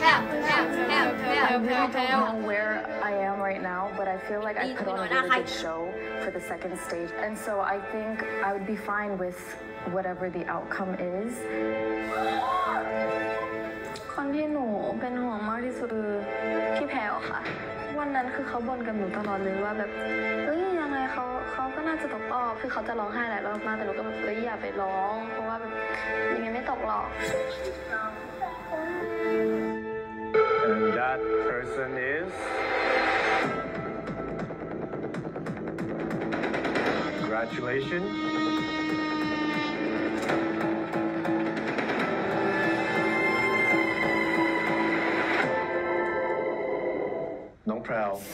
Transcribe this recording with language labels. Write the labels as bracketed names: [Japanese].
[English] where I am right now, but I feel like I put on a really good show for the second stage, and so I think I would be fine with whatever the outcome is. [Thai] คนที่หนูเป็นห่วงมากที่สุดคือพี่แพรวค่ะวันนั้นคือเขาบ่นกับหนูตลอดเลยว่าแบบเฮ้ยยังไงเขาก็น่าจะตกรอบคือเขาจะร้องไห้หลายรอบมากแต่หนูก็แบบเฮ้ยอย่าไปร้องเพราะว่าแบบยังไงไม่ตกหรอก [English] And that person is Congratulations น้องแพรว